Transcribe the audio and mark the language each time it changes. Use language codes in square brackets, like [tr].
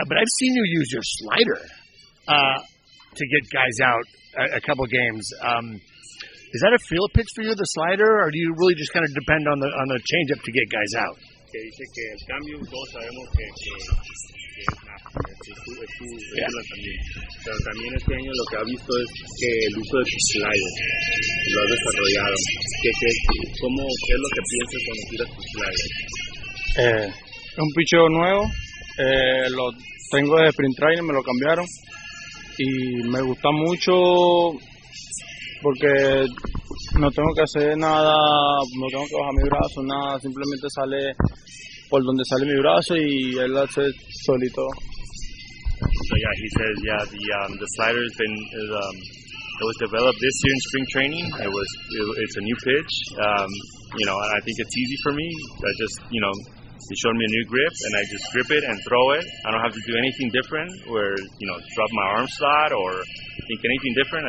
[en] But I've seen you use your slider to get guys out a couple games. Is that a feel pitch for you, the slider, or do you really just kind of depend on the changeup to get guys out? [es] Que dice que el cambio todos sabemos que es tu yeah. También. Pero también este año lo que ha visto es que el uso de tu slider lo ha desarrollado. ¿Qué es lo que piensas cuando tiras tu slider? Un picheo nuevo, lo tengo de sprint training, me lo cambiaron y me gusta mucho porque no tengo que hacer nada, no tengo que bajar mi brazo, nada, simplemente sale por donde sale mi brazo y él hace solito. [en] So yeah, he says, yeah, the slider has been, it was developed this year in spring training. It's a new pitch, you know, and I think it's easy for me. I just, you know, he showed me a new grip and I just grip it and throw it. I don't have to do anything different where, you know, drop my arm slot or think anything different.